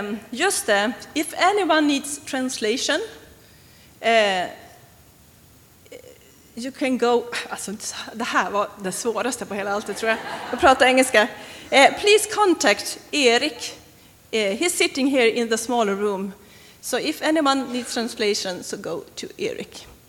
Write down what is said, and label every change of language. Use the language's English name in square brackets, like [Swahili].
[Swedish] Just det, [English] if anyone needs translation, you can go... [Swedish] Alltså, det här var det svåraste på hela allt, tror jag, att prata engelska. [English] Please contact Erik. He's sitting here in the smaller room. So if anyone needs translation, so go to Eric.